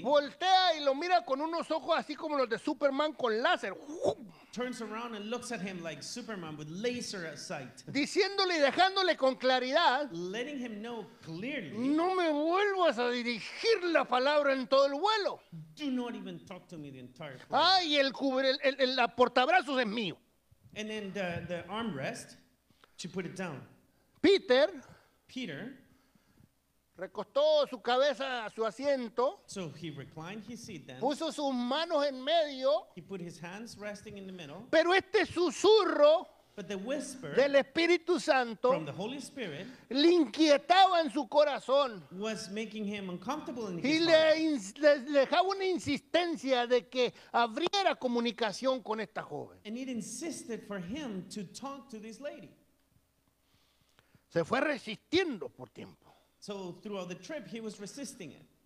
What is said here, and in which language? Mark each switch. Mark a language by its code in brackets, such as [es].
[es] voltea y lo mira con unos ojos así como los de Superman con láser. [en] Turns around and looks at him like Superman with laser at sight. [es] Diciéndole y dejándole con claridad, [en] letting him know clearly, [es] no me vuelvas a dirigir la palabra en todo el vuelo. [en] Do not even talk to me the entire flight. [es] Ah, y el portabrazos es mío. [en] And then the armrest, she put it down. [es] Peter, recostó su cabeza a su asiento. [en] So he reclined his seat then. [es] Puso sus manos en medio. [en] He put his hands resting in the middle. [es] Pero este susurro, [en] but the whisper, [es] del Espíritu Santo, [en] from the Holy Spirit, [es] le inquietaba en su corazón. [en] Was making him uncomfortable in his heart. [es] Y le dejaba una insistencia de que abriera comunicación con esta joven. [en] And it insisted for him to talk to this lady. [es] Se fue resistiendo por tiempo. [en] So throughout the trip he was resisting it.